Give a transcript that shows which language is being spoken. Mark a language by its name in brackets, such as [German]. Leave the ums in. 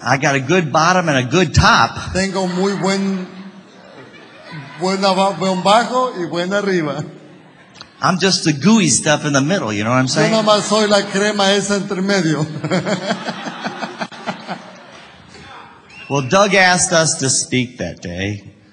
[English] I got a good bottom and a good top. [Spanish] Tengo muy buen buen bajo y buena arriba. [English] I'm just the gooey stuff in the middle, you know what I'm saying? [Spanish] Yo nomás soy la crema esa entre medio. [English] well, Doug asked us to speak that day.